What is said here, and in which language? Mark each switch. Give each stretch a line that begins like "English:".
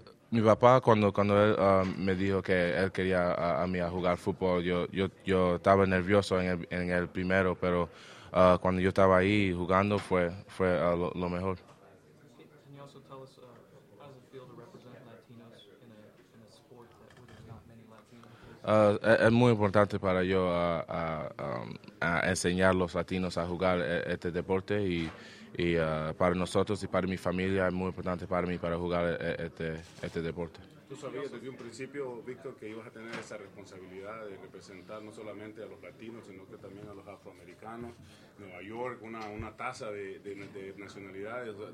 Spanish: Mi papá cuando él me dijo que él quería a mí a jugar fútbol, yo estaba nervioso en el primero, pero cuando yo estaba ahí jugando fue lo mejor.
English: Can you also tell us how's it feel to represent Latinos in a sport that there's not many Latinos?
Spanish: Es muy importante para yo a enseñar los Latinos a jugar este deporte y para nosotros y para mi familia es muy importante para mí para jugar este deporte. ¿Tú sabías desde un principio, Víctor, que ibas a tener esa responsabilidad de representar no solamente a los latinos, sino que también a los afroamericanos, Nueva York, una tasa de nacionalidades?